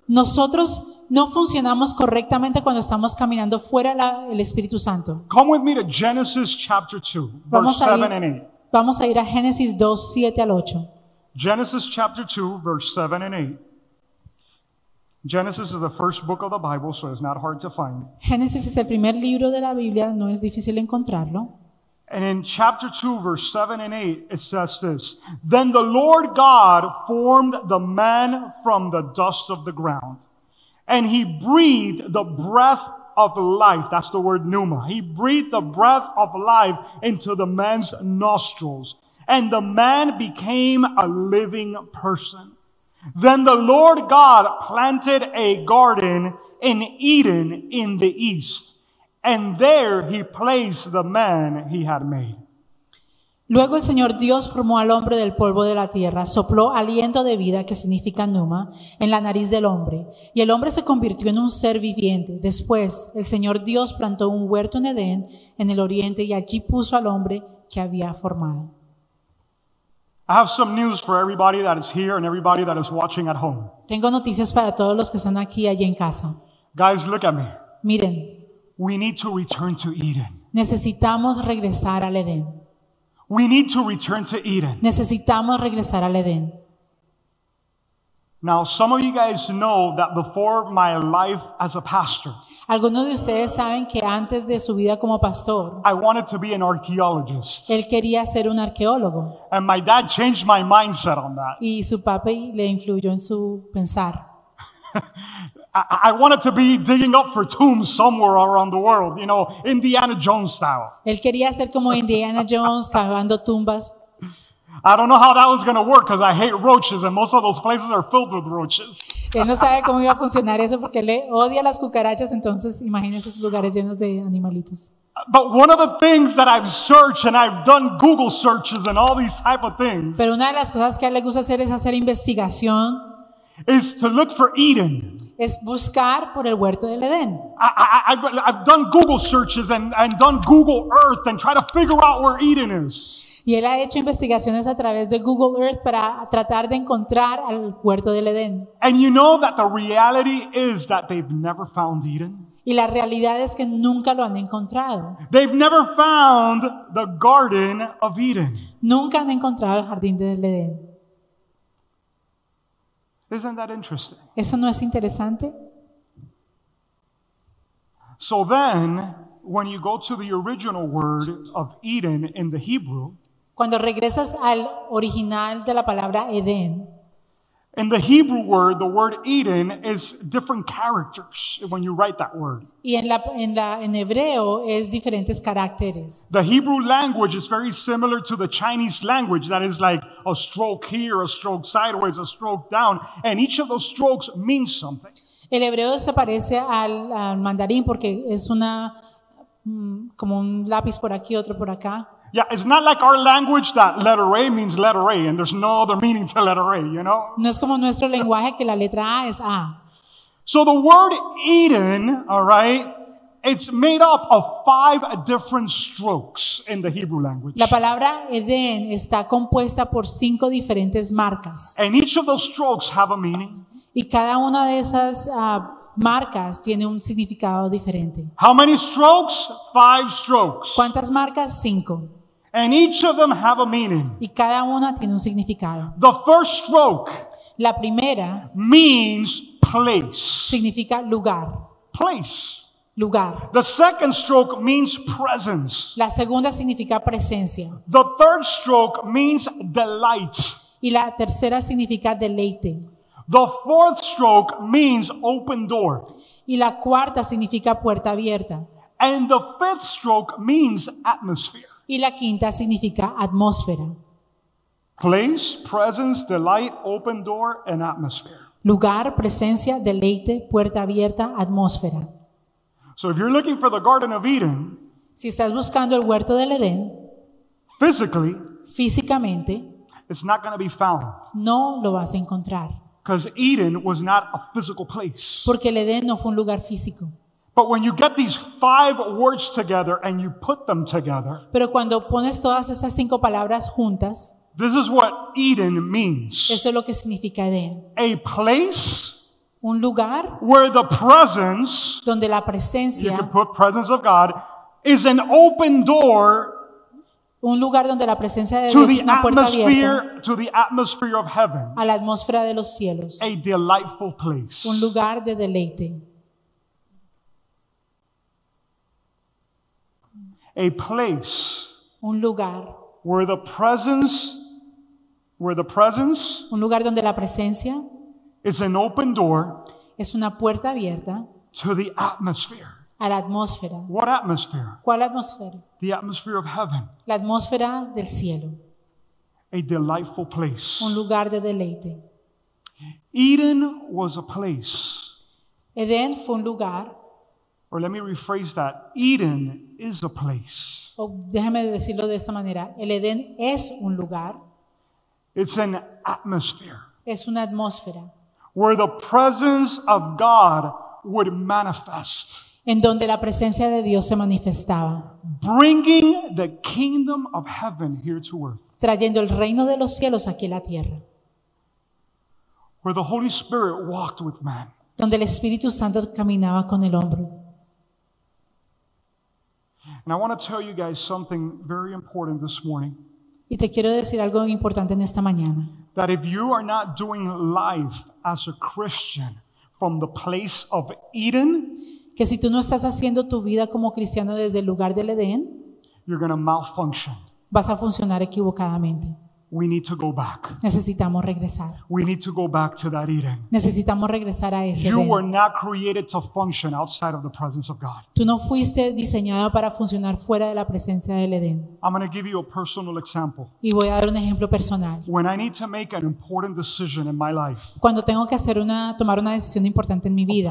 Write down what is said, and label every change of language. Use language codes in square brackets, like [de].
[es] Nosotros no funcionamos correctamente cuando estamos caminando fuera del Espíritu Santo. [en] Come with me to Genesis chapter 2, verse 7 and 8. [es] Vamos a ir a Génesis 2, 7 al 8. [en] Genesis chapter 2, verse 7 and 8. Genesis is the first book of the Bible, so it's not hard to find. [es] Génesis es el primer libro de la Biblia, no es difícil encontrarlo. [en] And in chapter 2, verse 7 and 8, it says this. Then the Lord God formed the man from the dust of the ground. And he breathed the breath of life. That's the word pneuma. He breathed the breath of life into the man's nostrils. And the man became a living person. Then the Lord God planted a garden in Eden in the east. And there he placed the man he had made. [es] Luego el Señor Dios formó al hombre del polvo de la tierra, sopló aliento de vida, que significa pneuma, en la nariz del hombre, y el hombre se convirtió en un ser viviente. Después, el Señor Dios plantó un huerto en Edén, en el oriente, y allí puso al hombre que había formado. [en] I have some news for everybody that is here and everybody that is watching at home. [es] Tengo noticias para todos los que están aquí allí en casa. [en] Guys, look at me. [es] Miren. [en] We need to return to Eden. [es] Necesitamos regresar al Edén. [en] We need to return to Eden. [es] Necesitamos regresar al Edén. [en] Now, some of you guys know that before my life as a pastor, [es] algunos de ustedes saben que antes de su vida como pastor, [en] I wanted to be an archaeologist. [es] Él quería ser un arqueólogo. [en] And my dad changed my mindset on that. [es] Y su papi le influyó en su pensar. [en] I wanted to be digging up for tombs somewhere around the world, you know, Indiana Jones style. [es] Él quería ser como Indiana Jones cavando tumbas. [en] I don't know how that was going to work because I hate roaches and most of those places are filled with roaches. [es] Él no sabe cómo iba a funcionar eso porque le odia las cucarachas, entonces imagínese esos lugares llenos de animalitos. [en] But one of the things that I've searched and I've done Google searches and all these type of things. [es] Pero una de las cosas que a él le gusta hacer es hacer investigación. [en] Is to look for Eden. [es] Es buscar por el huerto del Edén. [en] I've done Google searches and done Google Earth and try to figure out where Eden is. [es] Y él ha hecho investigaciones a través de Google Earth para tratar de encontrar al huerto del Edén. [en] And you know that the reality is that they've never found Eden. [es] Y la realidad es que nunca lo han encontrado. [en] They've never found the Garden of Eden. [es] Nunca han encontrado el jardín del Edén. [en] Isn't that interesting? [es] ¿Eso no es interesante? [en] So then, when you go to the original word of Eden in the Hebrew, [es] cuando regresas al original de la palabra Edén, [en] in the Hebrew word, the word Eden is different characters when you write that word. [es] Y en hebreo es diferentes caracteres. [en] The Hebrew language is very similar to the Chinese language, that is like a stroke here, a stroke sideways, a stroke down, and each of those strokes means something. [es] El hebreo se parece al mandarín porque es una como un lápiz por aquí, otro por acá. [en] Yeah, it's not like our language that letter A means letter A and there's no other meaning to letter A, you know? [es] No es como nuestro lenguaje que la letra A es A. [en] So the word Eden, all right? It's made up of 5 different strokes in the Hebrew language. [es] La palabra Eden está compuesta por 5 diferentes marcas. [en] And each of those strokes have a meaning. [es] Y cada una de esas marcas tiene un significado diferente. [en] How many strokes? 5 strokes. [es] ¿Cuántas marcas? 5. [en] And each of them have a meaning. [es] Y cada una tiene un significado. [en] The first stroke. [es] La primera. [en] Means place. [es] Significa lugar. [en] Place. [es] Lugar. [en] The second stroke means presence. [es] La segunda significa presencia. [en] The third stroke means delight. [es] Y la tercera significa deleite. [en] The fourth stroke means open door. [es] Y la cuarta significa puerta abierta. [en] And the fifth stroke means atmosphere. [es] Y la quinta significa atmósfera. [en] Place, presence, delight, open door, and atmosphere. [es] Lugar, presencia, deleite, puerta abierta, atmósfera. [en] So if you're looking for the Garden of Eden, [es] si estás buscando el huerto del Edén, [en] physically, [es] físicamente, [en] it's not going to be found. [es] No lo vas a encontrar. [en] Because Eden was not a physical place. [es] Porque el Edén no fue un lugar físico. [en] But when you get these 5 words together and you put them together, [es] pero cuando pones todas esas 5 palabras juntas, [en] this is what Eden means. [es] Eso es lo que significa Edén. [en] A place. [es] Un lugar [en] where the presence, [es] donde la presencia, [en] you can put presence of God, is an open door. [es] Un lugar donde la presencia de Dios es una puerta abierta. [en] To the atmosphere of heaven, [es] a la atmósfera de los cielos. [en] A delightful place. [es] Un lugar de deleite. [en] A place. [es] Un lugar. [en] Where the presence. [es] Un lugar donde la presencia. [en] Is an open door. [es] Es una puerta abierta. [en] To the atmosphere. [es] A la atmósfera. [en] What atmosphere? [es] ¿Cuál atmósfera? [en] The atmosphere of heaven. [es] La atmósfera del cielo. [en] A delightful place. [es] Un lugar de deleite. [en] Eden was a place. [es] Edén fue un lugar. [en] Or let me rephrase that. Eden is a place. [es] O déjame decirlo de esta manera. El Edén es un lugar. [en] It's an atmosphere. [es] Es una atmósfera. [en] Where the presence of God would manifest. [es] En donde la presencia de Dios se manifestaba. [en] Bringing the kingdom of heaven here to earth. [es] Trayendo el reino de los cielos aquí a la tierra. [en] Where the Holy Spirit walked with man. [es] Donde el Espíritu Santo caminaba con el hombre. [en] And I want to tell you guys something very important this morning. [es] Y te quiero decir algo importante en esta mañana. [en] That if you are not doing life as a Christian from the place of Eden, [es] que si tú no estás haciendo tu vida como cristiano desde el lugar del Edén, [en] you're gonna malfunction. [es] Vas a funcionar equivocadamente. [en] We need to go back. [es] Necesitamos regresar. [en] We need to go back to that Eden. [es] Necesitamos regresar a ese you Edén. [en] You were not created to function outside of the presence of God. [es] Tú no fuiste diseñado para funcionar fuera de la presencia del Edén. [en] I'm gonna give you a personal example. [es] Y voy a dar un ejemplo personal. [en] When I need to make an important decision in my life. [es] Cuando tengo que hacer tomar una decisión importante en mi vida.